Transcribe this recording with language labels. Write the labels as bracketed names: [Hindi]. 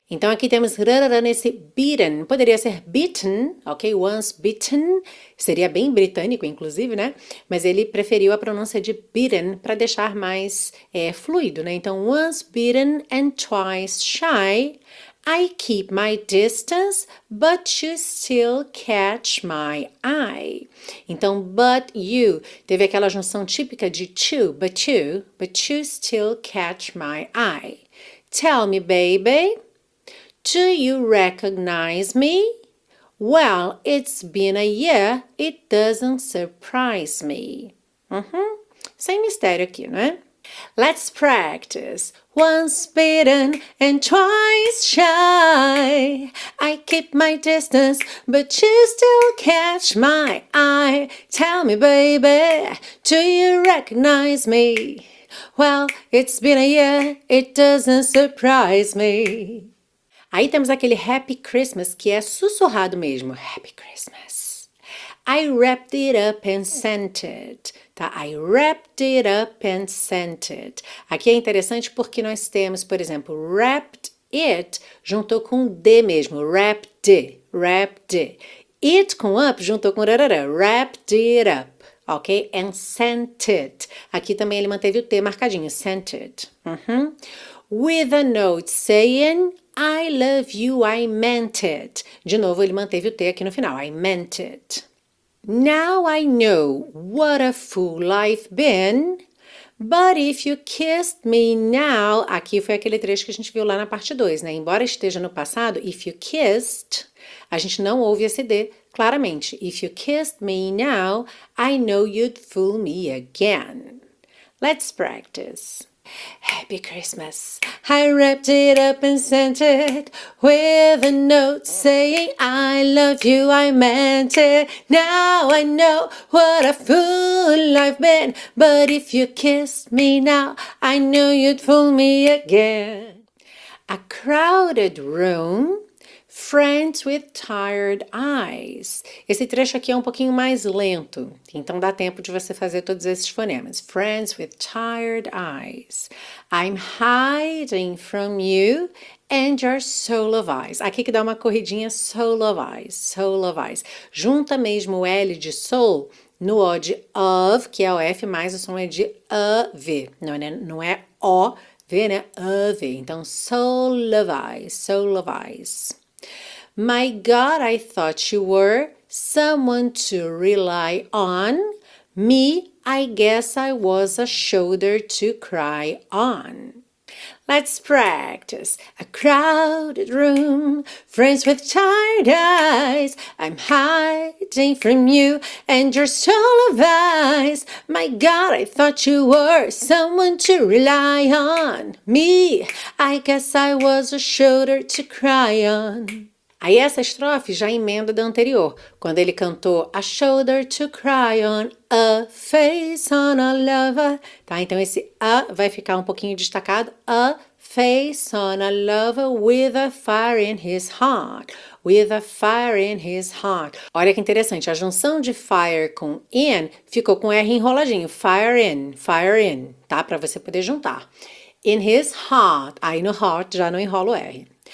[Portuguese] Então aqui temos rarara nesse beaten. Poderia ser beaten, ok? [English] Once beaten. [Portuguese] Seria bem britânico, inclusive, né? Mas ele preferiu a pronúncia de beaten para deixar mais fluido, né? [English] Então, once beaten and twice shy. I keep my distance, but you still catch my eye. [Portuguese] Então, but you, teve aquela junção típica de to, [English] but you still catch my eye. Tell me, baby, do you recognize me? Well, it's been a year. It doesn't surprise me. [Portuguese] Sem mistério aqui, né? [English] Let's practice. Once bitten and twice shy. I keep my distance, but you still catch my eye. Tell me, baby, do you recognize me? Well, it's been a year, it doesn't surprise me. [Portuguese] Aí temos aquele Happy Christmas que é sussurrado mesmo. [English] Happy Christmas. I wrapped it up and sent it. Tá? I wrapped it up and sent it. [Portuguese] Aqui é interessante porque nós temos, por exemplo, wrapped it juntou com de mesmo. [English] Wrapped it. Wrapped it. It com up [Portuguese] juntou com rarara. [English] Wrapped it up. Ok? And sent it. [Portuguese] Aqui também ele manteve o T marcadinho. [English] Sent it. With a note saying, I love you, I meant it. [Portuguese] De novo, ele manteve o T aqui no final. [English] I meant it. Now I know what a fool I've been. But if you kissed me now. [Portuguese] Aqui foi aquele trecho que a gente viu lá na parte 2, né? Embora esteja no passado, [English] if you kissed. [Portuguese] A gente não ouve esse D claramente. [English] If you kissed me now, I know you'd fool me again. Let's practice. Happy Christmas. I wrapped it up and sent it with a note saying I love you, I meant it. Now I know what a fool I've been. But if you kissed me now, I know you'd fool me again. A crowded room. Friends with tired eyes. [Portuguese] Esse trecho aqui é um pouquinho mais lento, então dá tempo de você fazer todos esses fonemas. [English] Friends with tired eyes. I'm hiding from you and your soul of eyes. [Portuguese] Aqui que dá uma corridinha, [English] soul of eyes, soul of eyes. [Portuguese] Junta mesmo o L de soul no O de of, que é o F, mais o som é de of, não é, não é O, V, né? [English] Of, então soul of eyes, soul of eyes. My God, I thought you were someone to rely on. Me, I guess I was a shoulder to cry on. Let's practice. A crowded room, friends with tired eyes. I'm hiding from you and your soul of eyes. My God, I thought you were someone to rely on. Me, I guess I was a shoulder to cry on. [Portuguese] Aí essa estrofe já emenda da anterior, quando ele cantou [English] a shoulder to cry on, a face on a lover. [Portuguese] Tá? Então esse a vai ficar um pouquinho destacado. [English] A face on a lover with a fire in his heart. With a fire in his heart. [Portuguese] Olha que interessante, a junção de fire com in ficou com R enroladinho. Fire in, tá? Para você poder juntar. In his heart, aí no heart já não enrola o R.